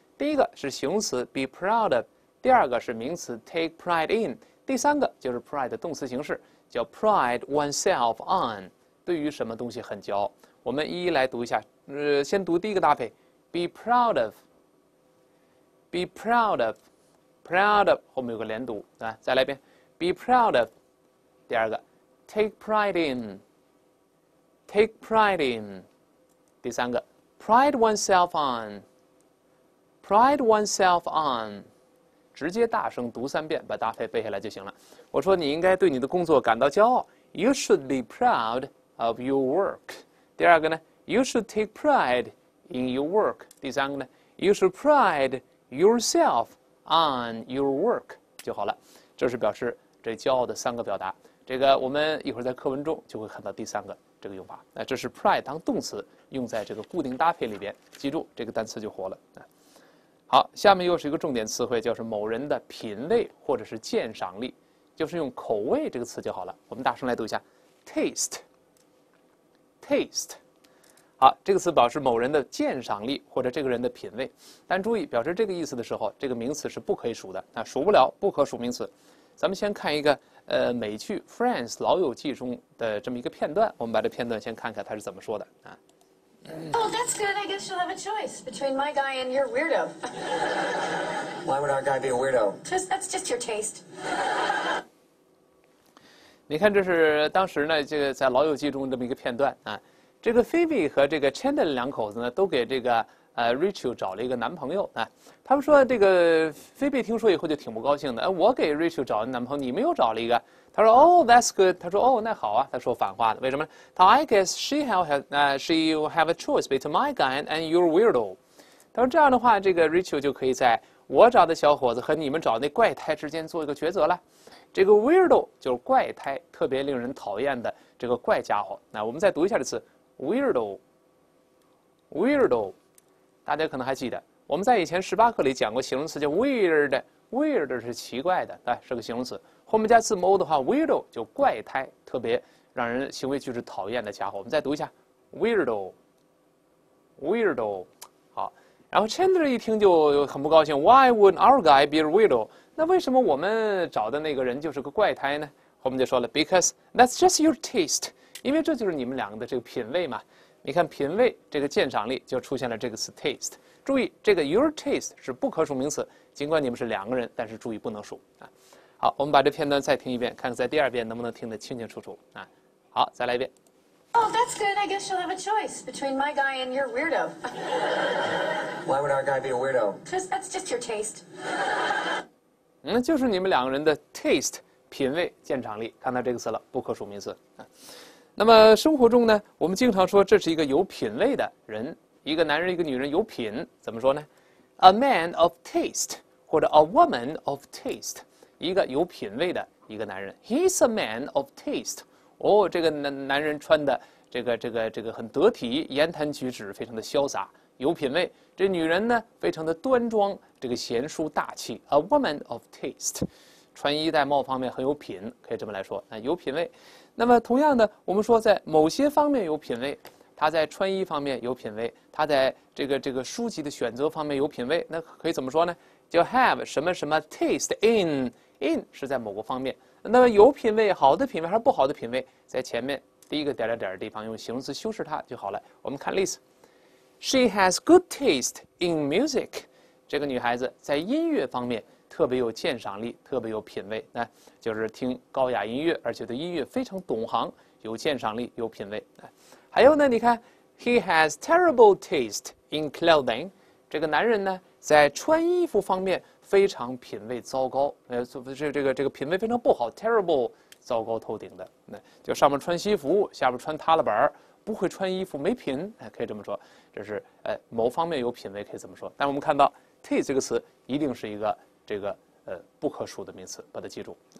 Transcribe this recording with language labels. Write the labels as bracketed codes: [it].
[zh] 第一个是形容词 [en] be proud of， [zh] 第二个是名词 [en] take pride in， [zh] 第三个就是 pride 的动词形式，叫 [en] pride oneself on。 [zh] 对于什么东西很骄傲，我们一一来读一下。先读第一个搭配 ， [en] be proud of。 be proud of， proud of [zh] 后面有个连读，对吧？再来一遍 ，be proud of。第二个 ， [en] take pride in。 take pride in。 [zh] 第三个 [en] ，pride oneself on。 pride oneself on。 [zh] 直接大声读三遍，把搭配背下来就行了。我说你应该对你的工作感到骄傲 ， [en] You should be proud of your work。 [zh] 第二个呢 [en] ，You should take pride in your work。第三个呢 ，You should pride yourself on your work [zh] 就好了。这是表示这骄傲的三个表达。这个我们一会儿在课文中就会看到第三个这个用法。那这是 pride 当动词用在这个固定搭配里边，记住这个单词就活了。好，下面又是一个重点词汇，就是某人的品味或者是鉴赏力，就是用口味这个词就好了。我们大声来读一下 ，taste。 [en] taste。 [zh] 好，这个词表示某人的鉴赏力或者这个人的品味。但注意，表示这个意思的时候，这个名词是不可以数的，那数不了，不可数名词。咱们先看一个美剧《Friends》老友记中的这么一个片段，我们把这片段先看看它是怎么说的啊。 [en] Oh, that's good. I guess you'll have a choice between my guy and your weirdo. Why would our guy be a weirdo? Just, that's just your taste. [zh] 你看，这是当时呢，这个在《老友记》中这么一个片段啊。这个 Phoebe 和这个 Chandler 两口子呢，都给这个Rachel 找了一个男朋友啊。他们说，这个 Phoebe 听说以后就挺不高兴的。哎，我给 Rachel 找了男朋友，你没有找了一个。 [en] 他说 ：“Oh, that's good。” [zh] 他说：“哦，那好啊。” 他说反话的，为什么？他 [en] ：“I guess she will have a choice between my guy and your weirdo。” [zh] 他说这样的话，这个 Rachel 就可以在我找的小伙子和你们找的那怪胎之间做一个抉择了。这个 weirdo 就是怪胎，特别令人讨厌的这个怪家伙。那我们再读一下这词 ：weirdo，weirdo。大家可能还记得，我们在以前十八课里讲过形容词叫 weird，weird 是奇怪的，对，是个形容词。后面加字母 o 的话 ，weirdo 就怪胎，特别让人行为举止讨厌的家伙。我们再读一下 ，weirdo，weirdo， 好。然后 Chandler 一听就很不高兴 ， [en] Why would our guy be a weirdo？ [zh] 那为什么我们找的那个人就是个怪胎呢？后面就说了 ， [en] Because that's just your taste， [zh] 因为这就是你们两个的这个品味嘛。你看品味这个鉴赏力就出现了这个词 taste。注意这个 [en] your taste [zh] 是不可数名词，尽管你们是两个人，但是注意不能数啊。好，我们把这片段再听一遍，看看在第二遍能不能听得清清楚楚啊。好，再来一遍。 Oh, that's good. I guess you'll have a choice between my guy and your weirdo. Why would our guy be a weirdo? Because that's just your taste. 就是你们两个人的 taste 品味鉴赏力，看到这个词了，不可数名词啊。那么生活中呢，我们经常说这是一个有品味的人，一个男人一个女人有品，怎么说呢 ？ [en] A man of taste [zh] 或者 [en] a woman of taste。 [zh] 一个有品味的一个男人 ， [en] He's a man of taste。 [zh] 哦，这个男人穿的这个很得体，言谈举止非常的潇洒，有品味。这女人呢，非常的端庄，这个贤淑大气 ， [en] a woman of taste。 [zh] 穿衣戴帽方面很有品，可以这么来说，那有品味。那么同样的，我们说在某些方面有品味，她在穿衣方面有品味，她在这个书籍的选择方面有品味，那可以怎么说呢？就 have 什么什么 taste in 是在某个方面，那么有品味，好的品味还是不好的品味，在前面第一个点点点的地方用形容词修饰它就好了。我们看例子 [en] ，She has good taste in music。 [zh] 这个女孩子在音乐方面特别有鉴赏力，特别有品味，那就是听高雅音乐，而且对音乐非常懂行，有鉴赏力，有品味。还有呢，你看 [en] ，He has terrible taste in clothing。 [zh] 这个男人呢？在穿衣服方面非常品味糟糕，这个品味非常不好 ，terrible， 糟糕透顶的，那就上面穿西服，下面穿塌了板，不会穿衣服，没品，可以这么说，这是某方面有品味可以这么说。但我们看到 taste 这个词一定是一个不可数的名词，把它记住。